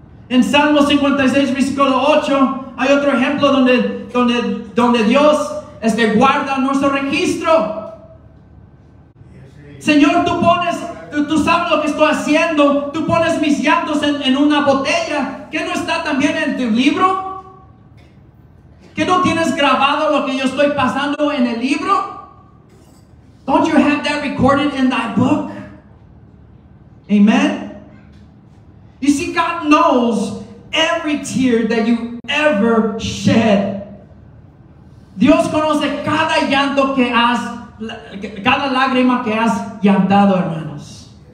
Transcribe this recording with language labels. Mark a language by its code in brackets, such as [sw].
[es] En Salmo 56, versículo 8, hay otro ejemplo donde Dios guarda nuestro registro. Señor, tú sabes lo que estoy haciendo. Tú pones mis llantos en una botella. ¿Qué no está también en tu libro? ¿Qué no tienes grabado lo que yo estoy pasando en el libro? [en] Don't you have that recorded in thy book? Amen. You see, God knows every tear that you ever shed. [es] Dios conoce cada llanto que has, cada lágrima que has llantado, hermanos.